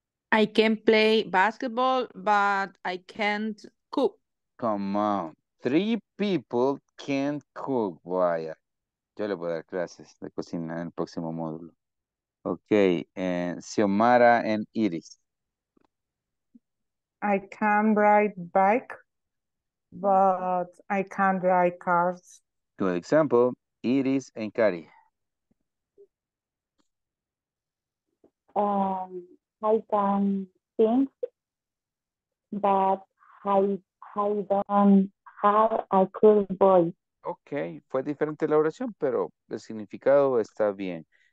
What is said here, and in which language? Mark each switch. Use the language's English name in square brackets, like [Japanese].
[English] I can play basketball, but I can't cook. Come on. Three people can't cook. [Spanish] Vaya. Yo le voy a dar clases de cocina en el próximo módulo. [English] Okay. Xiomara and Iris. I can ride bike, but I can't ride cars. Good example. Iris and Kari. I can think, but I don't have a cool boy. [Spanish] Okay, fue diferente la oración, pero el significado está bien.